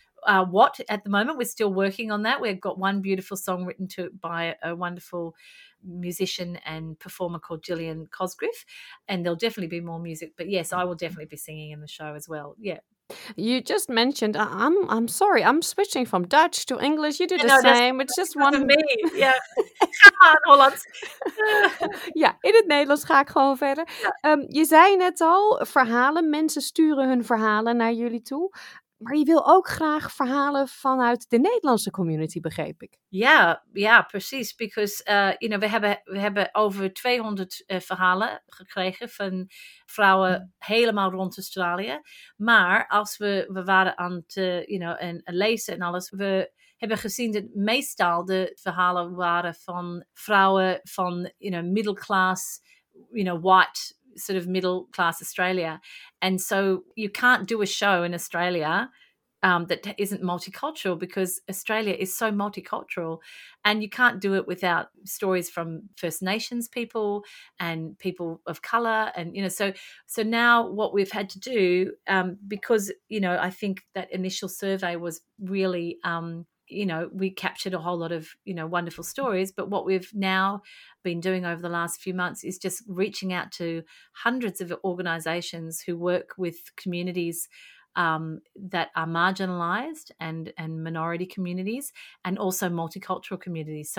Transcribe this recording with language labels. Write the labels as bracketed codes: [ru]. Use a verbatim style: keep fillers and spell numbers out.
[en] Uh, what at the moment we're still working on that. We've got one beautiful song written to it by a, a wonderful musician and performer called Gillian Cosgrove, and there'll definitely be more music, but yes, I will definitely be singing in the show as well. Yeah. You just mentioned uh, I'm I'm sorry I'm switching from Dutch to English. You do the no, same. It's just one of me. Yeah. Hollands. [nl] Ja, in het Nederlands ga ik gewoon verder. Ja. Um, je zei net al, verhalen, mensen sturen hun verhalen naar jullie toe. Maar je wil ook graag verhalen vanuit de Nederlandse community, begreep ik. Ja, ja, precies. [en] Because uh, you know, [nl] we hebben, we hebben over tweehonderd uh, verhalen gekregen van vrouwen helemaal rond Australië. Maar als we, we waren aan het uh, [en] you know, [nl] en, en lezen en alles, we hebben gezien dat meestal de verhalen waren van vrouwen van, [en] you know, middle class, you know, white, sort of middle class Australia. And so you can't do a show in Australia um, that isn't multicultural, because Australia is so multicultural, and you can't do it without stories from First Nations people and people of colour. And, you know, so so now what we've had to do, um, because, you know, I think that initial survey was really, um, you know, we captured a whole lot of, you know, wonderful stories, but what we've now been doing over the last few months is just reaching out to hundreds of organisations who work with communities um, that are marginalised and, and minority communities, and also multicultural communities.